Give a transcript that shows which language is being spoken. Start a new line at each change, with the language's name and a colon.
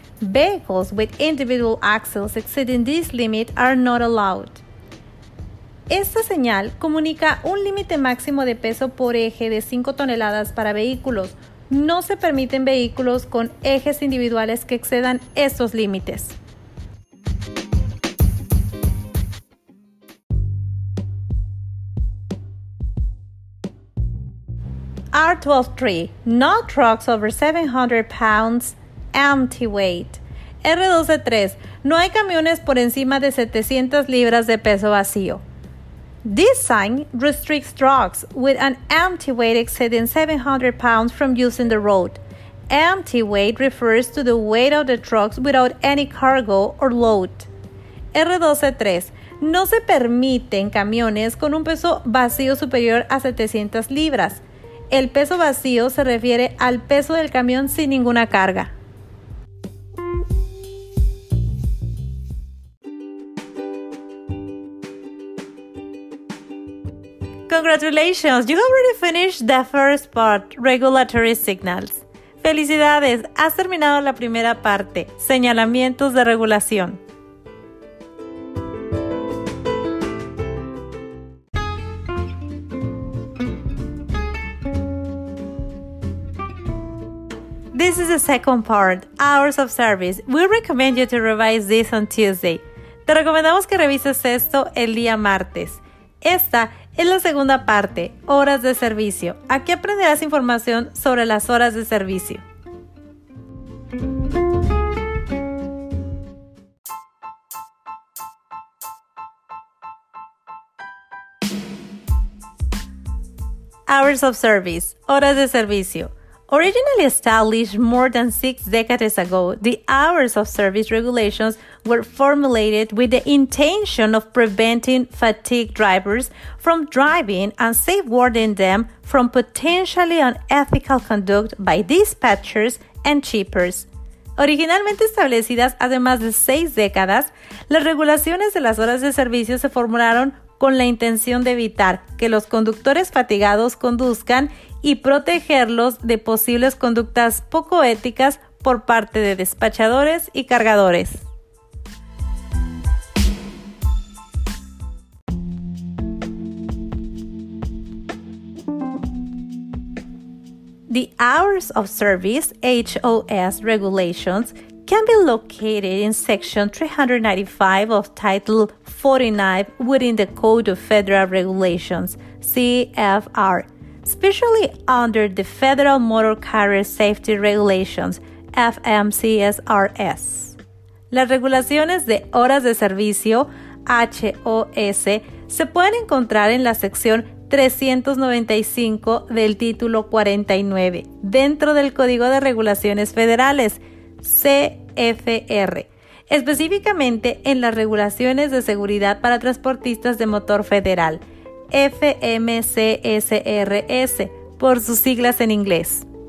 English: Vehicles with individual axles exceeding this limit are not allowed.
Spanish: Esta señal comunica un límite máximo de peso por eje de 5 toneladas para vehículos. No se permiten vehículos con ejes individuales que excedan estos límites.
English: R12-3, No trucks over 700 pounds empty weight.
Spanish: R12-3, No hay camiones por encima de 700 libras de peso vacío.
English: This sign restricts trucks with an empty weight exceeding 700 pounds from using the road. Empty weight refers to the weight of the trucks without any cargo or load.
Spanish: R12-3, No se permiten camiones con un peso vacío superior a 700 libras. El peso vacío se refiere al peso del camión sin ninguna carga.
English: Congratulations, you have already finished the first part, regulatory signals.
Spanish: Felicidades, has terminado la primera parte, señalamientos de regulación.
English: This is the second part, Hours of Service. We recommend you to revise this on Tuesday.
Spanish: Te recomendamos que revises esto el día martes. Esta es la segunda parte, Horas de Servicio. Aquí aprenderás información sobre las horas de servicio.
English: Hours of Service,
Spanish: Horas de Servicio.
English: Originally established more than six decades ago, the hours of service regulations were formulated with the intention of preventing fatigued drivers from driving and safeguarding them from potentially unethical conduct by dispatchers and shippers.
Spanish: Originalmente establecidas hace más de seis décadas, las regulaciones de las horas de servicio se formularon con la intención de evitar que los conductores fatigados conduzcan y protegerlos de posibles conductas poco éticas por parte de despachadores y cargadores.
English: The Hours of Service, HOS, regulations can be located in Section 395 of Title 49 within the Code of Federal Regulations, CFR, especially under the Federal Motor Carrier Safety Regulations, FMCSRS.
Spanish: Las regulaciones de horas de servicio, HOS, se pueden encontrar en la sección 395 del Título 49, dentro del Código de Regulaciones Federales, CFR, específicamente en las regulaciones de seguridad para transportistas de motor federal, FMCSRS, por sus siglas en inglés.